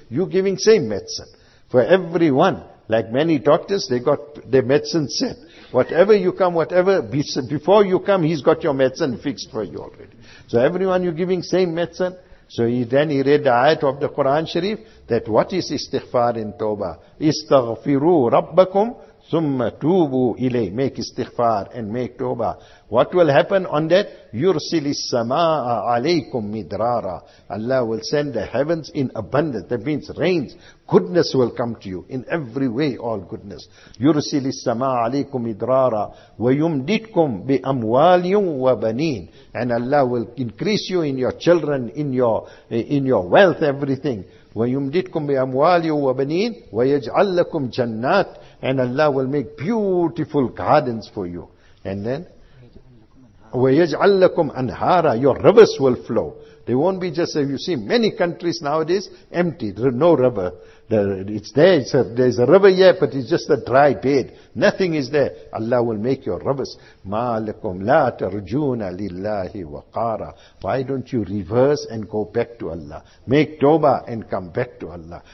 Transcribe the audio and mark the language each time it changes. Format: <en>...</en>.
<en>You giving same medicine. For everyone, like many doctors, they got their medicine set. Whatever you come, whatever, before you come, he's got your medicine fixed for you already. So everyone you giving same medicine. So he read the ayat of the Quran Sharif, that what is istighfar in Tawbah?</en> <ar>Istaghfiru Rabbakum, ثُمَّ تُوبُوا إِلَيْهِ.</ar> <en>Make istighfar and make tawbah. What will happen on that?</en> <ar>يُرْسِلِ السَّمَاءَ عَلَيْكُمْ مِدْرَارًا.</ar> <en>Allah will send the heavens in abundance. That means rains. Goodness will come to you. In every way, all goodness.</en> <ar>يُرْسِلِ السَّمَاءَ عَلَيْكُمْ مِدْرَارًا وَيُمْدِدْكُمْ بِأَمْوَالٍ وَبَنِينَ.</ar> <en>And Allah will increase you in your children, in your wealth, everything.</en> <ar>وَيُمْدِدْكُمْ بِأَمْوَالٍ وَبَنِينَ وَيَجْعَلْ لَكُمْ جَنَّاتٍ.</ar> <en>And Allah will make beautiful gardens for you. And then,</en> <ar>وَيَجْعَلْ لَكُمْ أَنْهَارًا.</ar> <en>Your rivers will flow. They won't be just, you see, many countries nowadays, empty, no river. It's there, there's a river here, but it's just a dry bed. Nothing is there. Allah will make your rivers.</en> <ar>مَا لَكُمْ لَا تَرْجُونَ لِلَّهِ وَقَارًا.</ar> <en>Why don't you reverse and go back to Allah? Make tawbah and come back to Allah.</en>